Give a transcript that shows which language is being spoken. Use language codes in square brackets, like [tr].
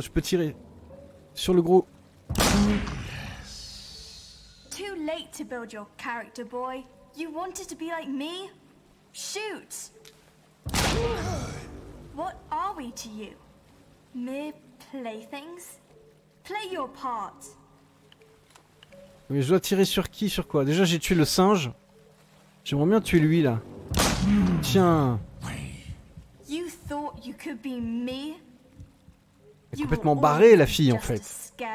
[fr] Je peux tirer sur le gros. [en] Too late to build your character, boy. You wanted to be like me? Shoot. What are we to you? Mere playthings? Play your part. [fr] Mais je dois tirer sur qui? Sur quoi? Déjà, j'ai tué le singe. J'aimerais bien tuer lui, là. Tiens. [en] You thought you could be me? [fr] Elle est complètement barrée, la fille, en fait.